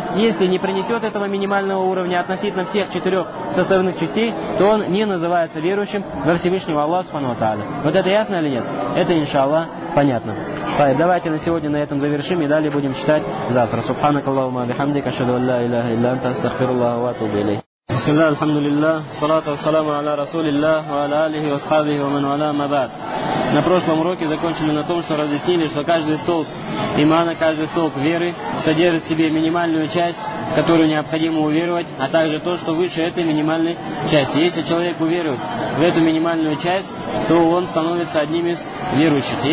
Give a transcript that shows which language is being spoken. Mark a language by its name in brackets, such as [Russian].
[Russian] Если не принесет этого минимального уровня относительно всех четырех составных частей, то он не называется верующим во Всевышнего Аллаха Субхану ва Тааля. Вот это ясно или нет? Это, иншаллах, понятно. Так, давайте на сегодня на этом завершим и далее будем читать завтра. [Arabic] Субханакаллахумма бихамдика, ашхаду ан ла илаха илля анта, астагфируллаха ва атубу илейх. بسم الله الحمد لله والصلاة والسلام على رسول الله وعلى آله وصحبه ومن والاه ما بعد. [Russian] На прошлом уроке закончили на том, что разъяснили, что каждый столб имана, каждый столб веры содержит в себе минимальную часть, которую необходимо уверовать, а также то, что выше этой минимальной части. Если человек уверует в эту минимальную часть, то он становится одним из верующих.